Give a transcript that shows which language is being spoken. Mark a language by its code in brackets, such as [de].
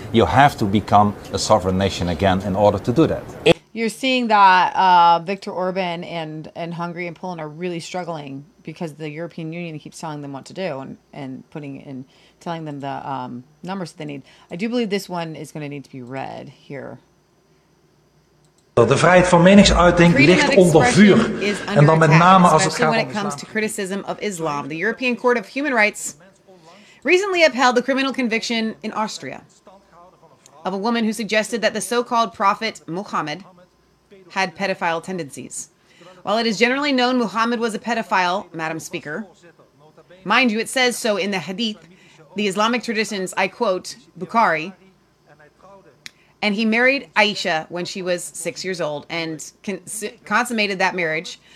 [en] You have to become a sovereign nation again in order to do that. You're seeing that Viktor Orban and Hungary and Poland are really struggling because the European Union keeps telling them what to do and putting in, telling them the numbers that they need. I do believe this one is going to need to be read here. [nl] De vrijheid van meningsuiting ligt onder vuur. En dan met name als het gaat om [en] criticism of Islam. The European Court of Human Rights recently upheld the criminal conviction in Austria of a woman who suggested that the so-called prophet Muhammad had pedophile tendencies. While it is generally known Muhammad was a pedophile, Madam Speaker, mind you, it says so in the Hadith, the Islamic traditions, I quote, Bukhari, and he married Aisha when she was 6 years old and consummated that marriage.